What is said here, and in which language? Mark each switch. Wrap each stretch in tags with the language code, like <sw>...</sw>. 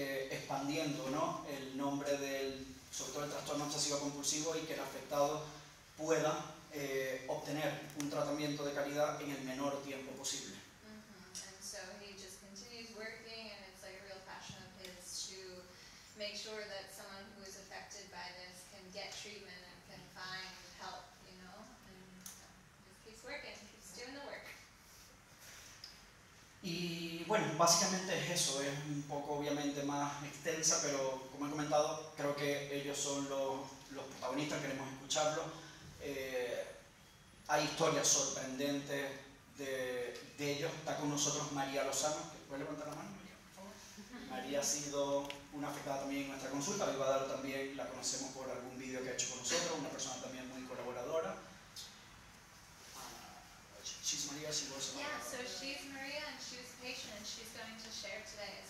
<es>expandiendo, ¿no?, el nombre del, sobre todo el trastorno obsesivo compulsivo y que el afectado pueda obtener un tratamiento de calidad en el menor tiempo posible.</es> <en>So he just continues working, and it's like a real passion of his to make sure that someone who is affected by this can get treatment and can find help, you know? And so he keeps working, keeps doing the work.</en> <es>Y bueno, básicamente es eso, es un poco obviamente más extensa, pero como he comentado, creo que ellos son los protagonistas, queremos escucharlos. Hay historias sorprendentes de ellos. Está con nosotros María Lozano, que puede levantar la mano, María, por favor. María ha sido una afectada también en nuestra consulta, Vivadaro también la conocemos por algún vídeo que ha hecho con nosotros, una persona también muy colaboradora.</es> <en>She's Maria, she was a patient, and she's going to share today.</en>